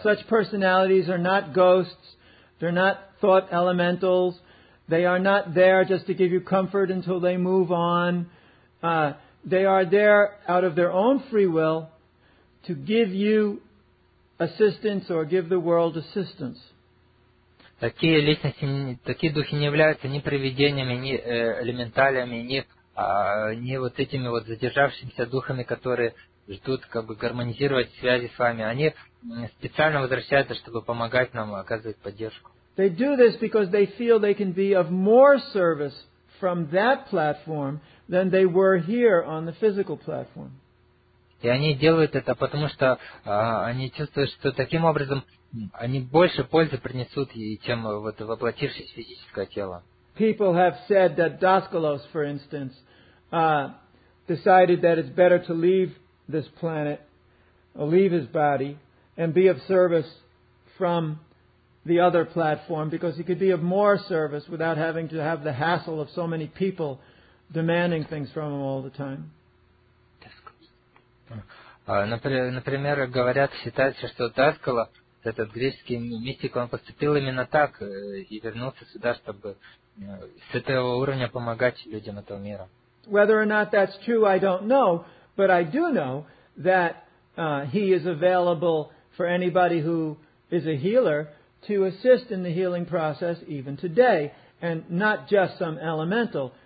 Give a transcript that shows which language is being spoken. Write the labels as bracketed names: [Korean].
[English] Such personalities are not ghosts. They're not thought elementals. They are not there just to give you comfort until they move on. They are there out of their own free will to give you assistance or give the world assistance. [Russian] Такие личности, такие духи не являются ни привидениями, ни элементалями, ни вот этими вот задержавшимися духами, которые ждут как бы гармонизировать связи с вами. Они специально возвращаются, чтобы помогать нам, оказывать поддержку. [English] They do this because they feel they can be of more service from that platform than they were here on the physical platform. [Russian] И они делают это, потому что они чувствуют, что таким образом они больше пользы принесут, чем вот воплотившись в физическое тело. [English] People have said that Daskalos, for instance, decided that it's better to leave this planet, or leave his body, and be of service from the other platform, because he could be of more service without having to have the hassle of so many people demanding things from him all the time. [Russian] Например, говорят, считается, что Даскало, этот греческий мистик, он поступил именно так и вернулся сюда, чтобы с этого уровня помогать людям этого мира. [English] Whether or not that's true, I don't know, but I do know that he is available for anybody who is a healer to assist in the healing process even today, and not just some elemental.